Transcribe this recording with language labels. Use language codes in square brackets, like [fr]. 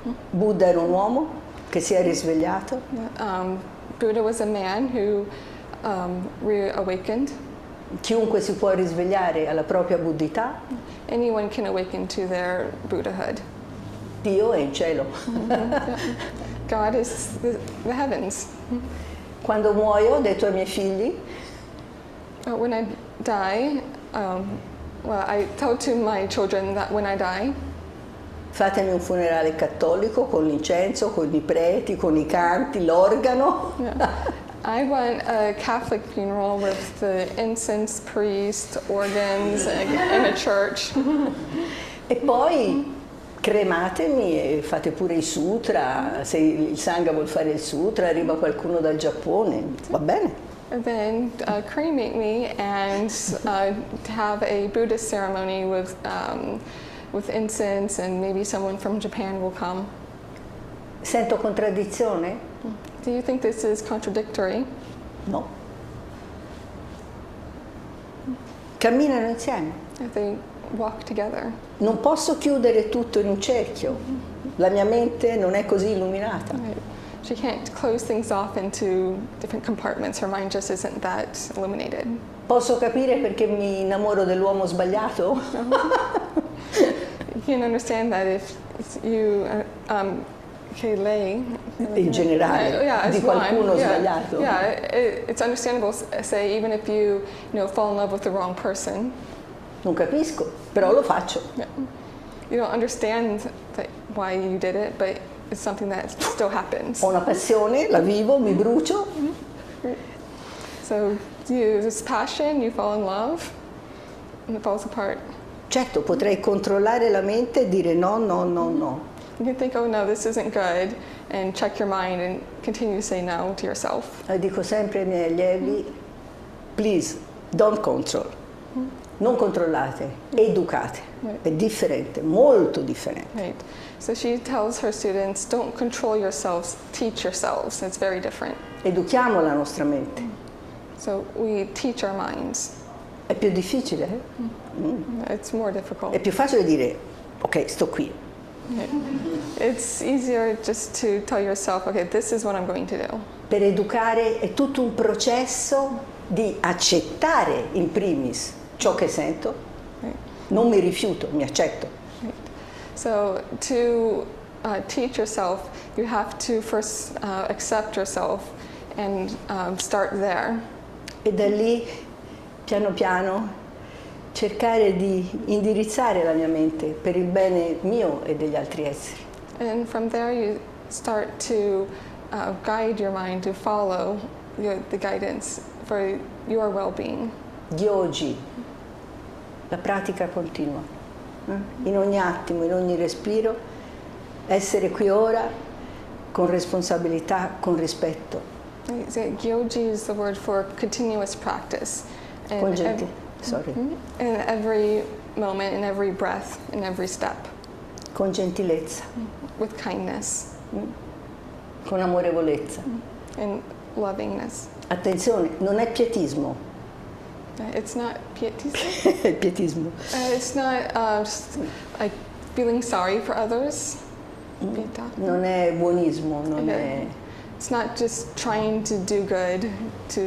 [it] Buddha era un uomo che si è risvegliato. [en] Buddha was a man who reawakened. [it] Chiunque si può risvegliare alla propria buddhità. [en] Anyone can awaken to their Buddhahood. [it] Dio è in cielo. [en] God is the heavens. [it] Quando muoio, ho detto ai miei figli. [en] When I die, I tell to my children that when I die. [it] Fatemi un funerale cattolico con l'incenso, con i preti, con i canti, l'organo. [en] Yeah. I want a Catholic funeral with the incense, priest, organs, and a church. [it] E poi crematemi e fate pure I sutra. Se il sangha vuol fare il sutra, arriva qualcuno dal Giappone. Va bene. [en] And then cremate me and have a Buddhist ceremony with incense, and maybe someone from Japan will come. [it] Sento contraddizione? [en] Do you think this is contradictory? [it] No. Camminano insieme. [en] If they walk together. [it] Non posso chiudere tutto in un cerchio. La mia mente non è così illuminata. [en] She can't close things off into different compartments. Her mind just isn't that illuminated. [it] Posso capire perché mi innamoro dell'uomo sbagliato? [en] You can understand that if you [it] che lei in generale di qualcuno sbagliato. [en] Yeah, it's understandable. Say even if you, you know, fall in love with the wrong person. [it] Non capisco, però lo faccio. [en] Yeah. You don't understand that why you did it, but it's something that still happens. [it] Ho una passione, la vivo, mi brucio. [en] So you, this passion, you fall in love, and it falls apart. [it] Certo, potrei controllare la mente e dire no, no, no, no. [en] You can think, oh no, this isn't good, and check your mind and continue to say no to yourself. [it] I dico sempre ai miei allievi, [en] please, don't control. [it] Non controllate, educate. [en] Right. [it] È differente, molto differente. [en] Right. So she tells her students, don't control yourselves, teach yourselves. It's very different. [it] Educhiamo la nostra mente. [en] So we teach our minds. [it] È più difficile? [en] It's more difficult. [it] È più facile dire, ok, sto qui. [en] It's easier just to tell yourself, okay, this is what I'm going to do. [it] Per educare è tutto un processo di accettare in primis ciò che sento. Non mi rifiuto, mi accetto. [en] So to teach yourself, you have to first accept yourself and start there. [it] E da lì, piano piano, cercare di indirizzare la mia mente per il bene mio e degli altri esseri. [en] And from there you start to guide your mind to follow the guidance for your well-being. [it] Gyoji, la pratica continua. In ogni attimo, in ogni respiro, essere qui ora con responsabilità, con rispetto. [en] Gyoji is the word for continuous practice. In every moment, in every breath, in every step. [it] Con gentilezza. [en] With kindness. [it] Con amorevolezza. [en] And lovingness. [it] Attenzione, non è pietismo. [en] It's not pietismo. [it] Pietismo. [en] It's not just like feeling sorry for others. [it] Pietà. Non è buonismo, non è. [en] It's not just trying to do good to.